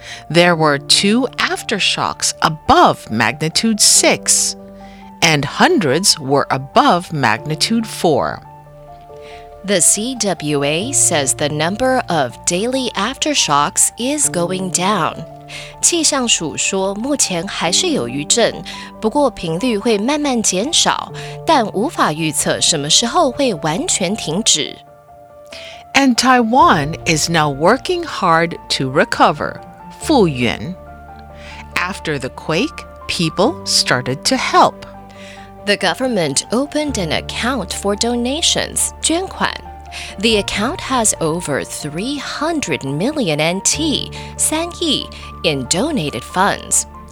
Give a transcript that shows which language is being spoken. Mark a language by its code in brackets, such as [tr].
[en] There were two aftershocks above magnitude 6, and hundreds were above magnitude 4. The CWA says the number of daily aftershocks is going down. [zh] 气象署说目前还是有余震，不过频率会慢慢减少，但无法预测什么时候会完全停止。 [en] And Taiwan is now working hard to recover, [zh] 复原。 [en] After the quake, people started to help. The government opened an account for donations, [zh] 捐款。 [en] The account has over 300 million NT, [zh] 三亿, [en] in donated funds.